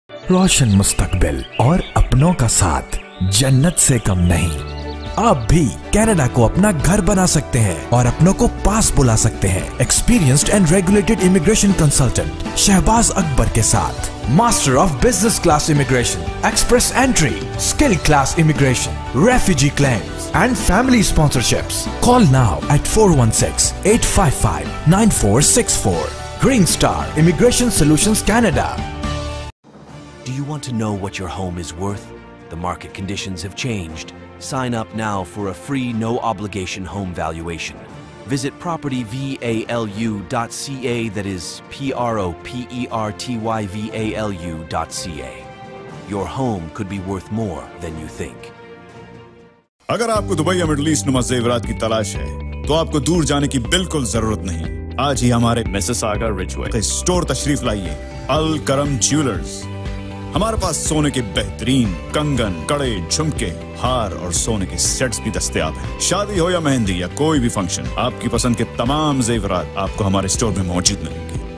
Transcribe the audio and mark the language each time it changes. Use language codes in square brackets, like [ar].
[ur] روشن مستقبل اور اپنوں کا ساتھ جنت سے کم نہیں آپ بھی کینیڈا کو اپنا گھر بنا سکتے ہیں اور اپنوں کو پاس بلا سکتے ہیں [en] experienced and regulated immigration consultant [ur] Shahbaz اکبر کے ساتھ master of business class immigration express entry skill class immigration refugee claims and family sponsorships [en] call now at [ur] 416-855-9464 green star immigration solutions Canada [en] Do you want to know what your home is worth? The market conditions have changed. Sign up now for a free, no-obligation home valuation. Visit propertyvalu.ca, that is propertyvalu.ca. Your home could be worth more than you think. [ur] اگر آپ کو Dubai یا middle asset نماز زیورات کی تلاش ہے تو آپ کو دور جانے کی بالکل ضرورت نہیں آج ہی ہمارے مسساگا رچ وے کے سٹور تشریف لائیے الکرم جیولرز ہمارے پاس سونے کے بہترین کنگن کڑے جھمکے ہار اور سونے کے سیٹس بھی دستیاب ہیں شادی ہو یا مہندی یا کوئی بھی فنکشن آپ کی پسند کے تمام زیورات آپ کو ہمارے سٹور میں موجود ملیں گے